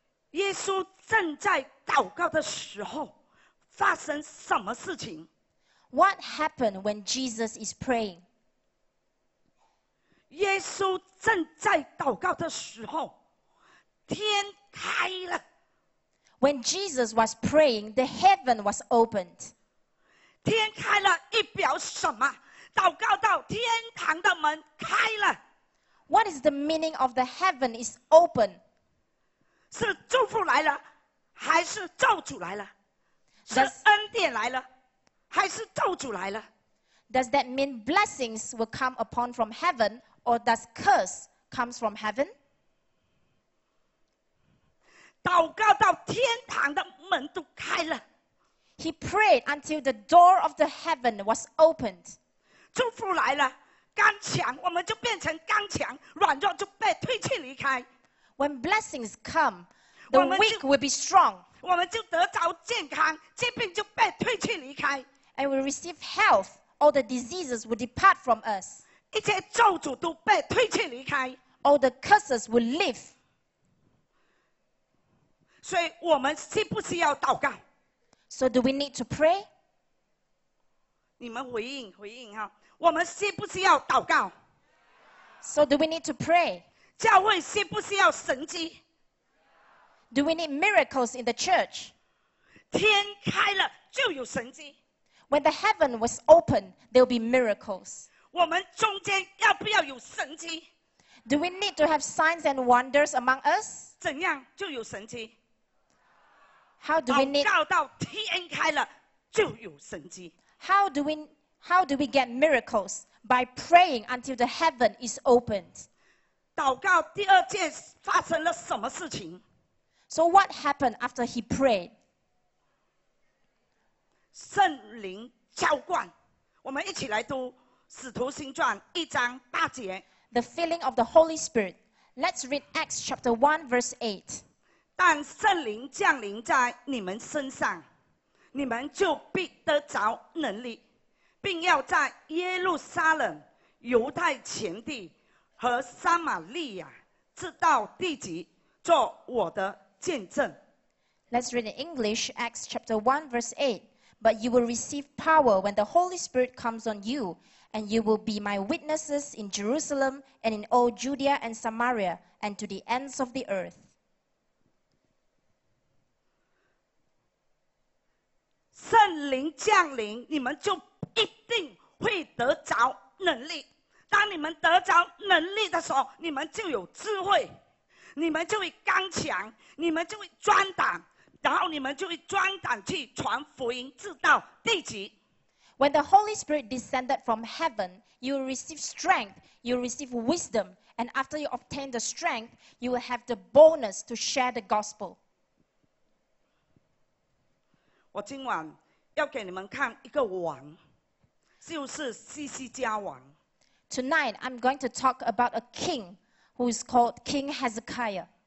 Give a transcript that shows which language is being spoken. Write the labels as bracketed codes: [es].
[zh] 耶稣正在祷告的时候发生什么事情 [en] What happened when Jesus is praying? [zh] 耶稣正在祷告的时候天开了 [en] When Jesus was praying, the heaven was opened. [zh] 天开了一表什么？祷告到天堂的门开了。 [en] What is the meaning of the heaven is open? [zh] 是祝福来了，还是咒诅来了？是恩典来了，还是咒诅来了？ [en] Does that mean blessings will come upon from heaven, or does curse comes from heaven? [zh] 祷告到天堂的门都开了。 [en] He prayed until the door of the heaven was opened. [zh] 祝福来了，刚强，我们就变成刚强，软弱就被推弃离开。 [en] When blessings come, the weak will be strong. [zh] 我们就得着健康，疾病就被推弃离开。 [en] And we receive health, all the diseases will depart from us. [zh] 一切咒诅都被推弃离开。 [en] All the curses will leave. [zh] 所以我们需不需要祷告？ [en] So do we need to pray? [zh] 你们回应回应哈，我们需不需要祷告 [en] ？So do we need to pray? [zh] 教会需不需要神迹 [en] ？Do we need miracles in the church? [zh] 天开了就有神迹。 [en] When the heaven was open, there'll be miracles. [zh] 我们中间要不要有神迹 [en] ？Do we need to have signs and wonders among us? [zh] 怎样就有神迹？ [en] How do we need? [zh] 祷告到天开了就有神迹。 [en] How do we get miracles by praying until the heaven is opened? [zh] 祷告第二件发生了什么事情 [en] ？So what happened after he prayed? [zh] 圣灵浇灌，我们一起来读《使徒行传》一章八节。 [en] the filling of the Holy Spirit. Let's read Acts chapter 1, verse 8. [zh] 但圣灵降临在你们身上，你们就必得着能力，并要在耶路撒冷、犹太全地和撒玛利亚直到地极做我的见证。 [en] Let's read in English, Acts chapter 1, verse 8. But you will receive power when the Holy Spirit comes on you, and you will be my witnesses in Jerusalem and in all Judea and Samaria and to the ends of the earth. [zh] 圣灵降临，你们就一定会得着能力。当你们得着能力的时候，你们就有智慧，你们就会刚强，你们就会壮胆，然后你们就会壮胆去传福音，直到地极。 [en] When the Holy Spirit descended from heaven, you will receive strength, you will receive wisdom, and after you obtain the strength, you will have the boldness to share the gospel. [zh] 我今晚要给你们看一个王，就是西西家王。 [en] Tonight, I'm going to talk about a king who is called King Hezekiah.